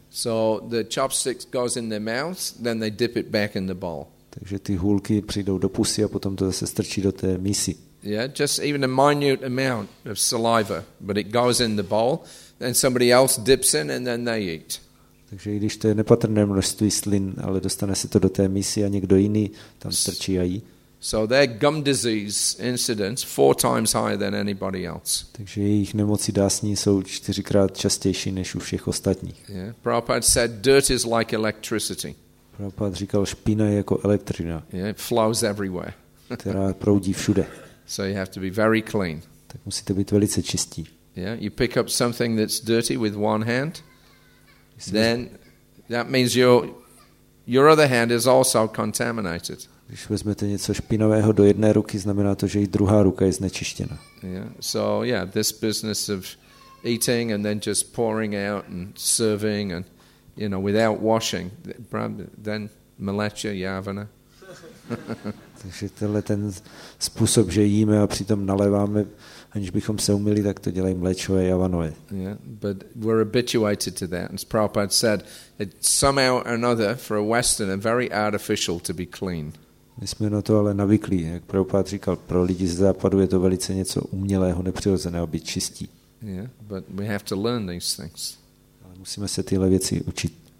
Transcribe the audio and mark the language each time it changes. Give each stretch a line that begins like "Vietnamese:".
English: So the chopsticks goes in their mouth, then they dip it back in the bowl.
Czech: Takže ty hůlky přijdou do pusy a potom to zase strčí do té misy.
English: Yeah, just even a minute amount of saliva, but it goes in the bowl, then somebody else dips in and then they eat.
Czech: Takže i když to je nepatrné množství slin, ale dostane se to do té misy a někdo jiný tam strčí a jí.
English: So their gum disease incidence 4 times higher than anybody else.
Czech: Takže jejich nemocí dásní jsou 4x častější než u všech ostatních.
English: Yeah. Prabhupada said dirt is like electricity.
Czech: Prabhupada říkal, špína je jako elektřina.
English: Yeah, it flows everywhere.
Czech: Která proudí všude.
English: So you have to be very clean.
Czech: Tak musíte být velice čistí.
English: Yeah, you pick up something that's dirty with one hand. Then that means your other hand is also contaminated.
Czech: Když vezmete něco špinavého do jedné ruky, znamená to, že i druhá ruka je znečištěna.
English: Yeah. So yeah, this business of eating and then just pouring out and serving and you know without washing, then malecha yavana.
Czech: Takže tenhle ten způsob, že jíme a přitom naléváme, aniž bychom se umyli, tak to dělají mléčové javanové.
English: Yeah, but we're habituated to that. As Prabhupada said, it's somehow or another for a Westerner very artificial to be clean.
Czech: My jsme na to ale navykli, jak Prabhupada říkal, pro lidi z západu je to velice něco umělého, nepřirozeného, být čistí.
English: Yeah, but we have to learn these things.
Czech: Ale musíme se tyhle věci učit.